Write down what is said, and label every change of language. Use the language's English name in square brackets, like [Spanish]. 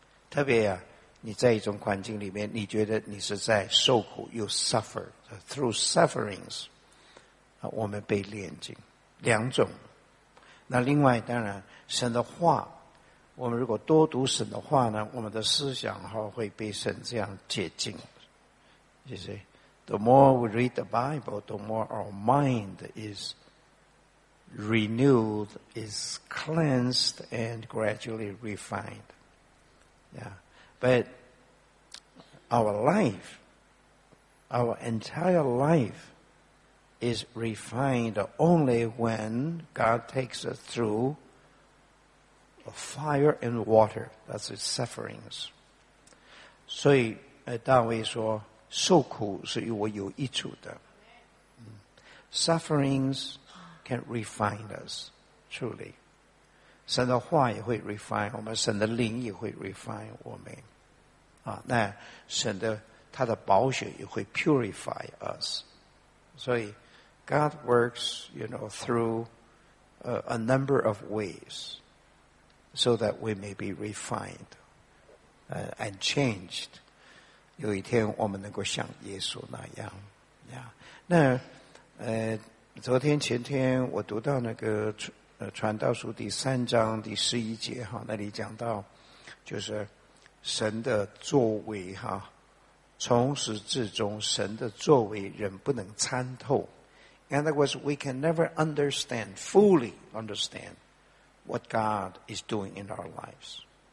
[Chinese] 特别啊，你在一种环境里面，你觉得你是在受苦 ， [English] you suffer through sufferings， [Chinese] 啊，我们被炼净两种。那另外当然，神的话，我们如果多读神的话呢，我们的思想哈会被神这样洁净，就是。 [English] The more we read the Bible, the more our mind is renewed, is cleansed, and gradually refined. Yeah. But our life, our entire life is refined only when God takes us through fire and water. That's his sufferings. [Chinese] 所以大卫说受苦是与我有益处的。 [English] Sufferings can refine us, truly. [Chinese] 神的话也会 refine 我们，神的灵也会 refine 我们。啊，那神的他的宝血也会 [English] purify us. [Chinese] 所以 [English] God works, you know, through a number of ways so that we may be refined and changed. [Chinese] 有一天我们能够像耶稣那样。 Yeah. 那昨天前天我读到那个传道书第三章第十一节哈，那里讲到就是神的作为哈，从始至终神的作为人不能参透。 [English] And that was, we can never understand, fully understand what God is doing in our lives.